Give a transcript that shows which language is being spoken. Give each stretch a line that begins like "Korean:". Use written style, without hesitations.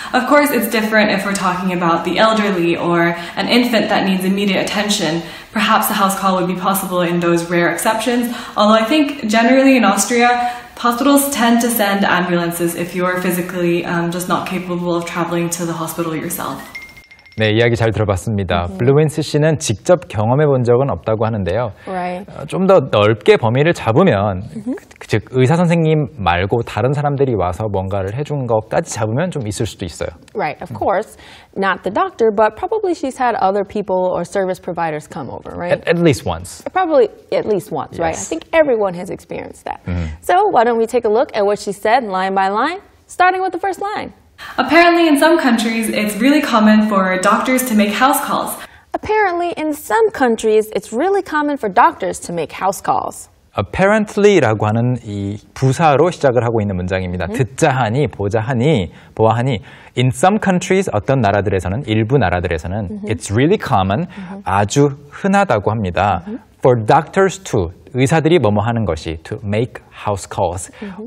English: Of course, it's different if we're talking about the elderly or an infant that needs immediate attention. Perhaps a house call would be possible in those rare exceptions. Although I think generally in Austria, hospitals tend to send ambulances if you are physically just not capable of traveling to the hospital yourself.
Korean: 네, 이야기 잘 들어봤습니다. 블루엔스 씨는 직접 경험해 본 적은 없다고 하는데요.
English: Right.
Korean: 좀 더 넓게 범위를 잡으면, mm-hmm. 즉 의사 선생님 말고 다른 사람들이 와서 뭔가를 해준 것까지 잡으면 좀 있을 수도 있어요.
English: Right, of course. Not the doctor, but probably she's had other people or service providers come over, right? At least once. Probably at least once, yes. Right? I think everyone has experienced that. Mm-hmm. So why don't we take a look at what she said line by line, starting with the first line. Apparently, in some countries, it's really common for doctors to make house calls. Apparently, in some countries, it's really common for doctors to make house calls.
Korean: Apparently라고 하는 이 부사로 시작을 하고 있는 문장입니다. Mm-hmm. 듣자 하니, 보자 하니, 보아 하니.
English: In some countries,
Korean: 어떤 나라들에서는, 일부 나라들에서는, mm-hmm.
English: it's really common,
Korean: mm-hmm. 아주 흔하다고 합니다. Mm-hmm.
English: For doctors to,
Korean: 의사들이 뭐뭐 하는 것이,
English: to make house calls, mm-hmm.